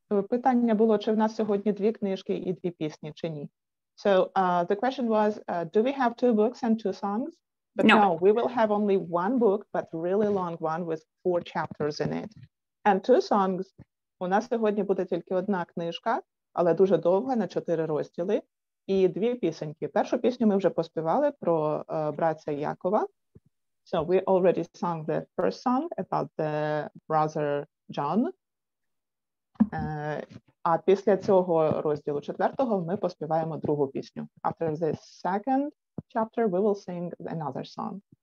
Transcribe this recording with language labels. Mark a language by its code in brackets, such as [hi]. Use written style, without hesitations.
[uk] Питання було, чи в нас сьогодні дві книжки і дві пісні, чи ні. [en] So the question was, do we have two books and two songs? But no. No, we will have only one book, but really long one with four chapters in it. And two songs. [uk] У нас сьогодні буде тільки одна книжка, але дуже довга, на чотири розділи. І дві пісеньки. Першу пісню ми вже поспівали про братця Якова. [en] So we already sung the first song about the brother John. [uk] А після цього розділу четвертого ми поспіваємо другу пісню. [en] After the second chapter we will sing another song.